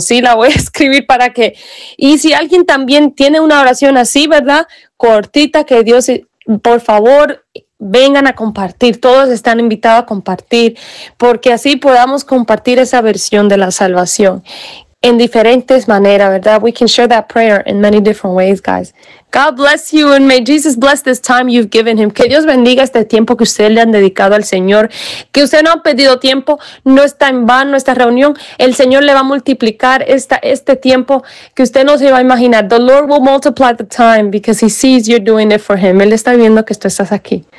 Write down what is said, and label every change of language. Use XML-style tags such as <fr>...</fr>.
<es>Sí, la voy a escribir para que... Y si alguien también tiene una oración así, ¿verdad? Cortita, que Dios... Por favor, vengan a compartir. Todos están invitados a compartir, porque así podamos compartir esa versión de la salvación en diferentes maneras, ¿verdad?</es> <en>We can share that prayer in many different ways, guys. God bless you and may Jesus bless this time you've given him.</en> <es>Que Dios bendiga este tiempo que ustedes le han dedicado al Señor. Que usted no ha pedido tiempo, no está en vano esta reunión. El Señor le va a multiplicar este tiempo que usted no se va a imaginar.</es> <en>The Lord will multiply the time because he sees you're doing it for him.</en> <es>Él está viendo que tú estás aquí.</es>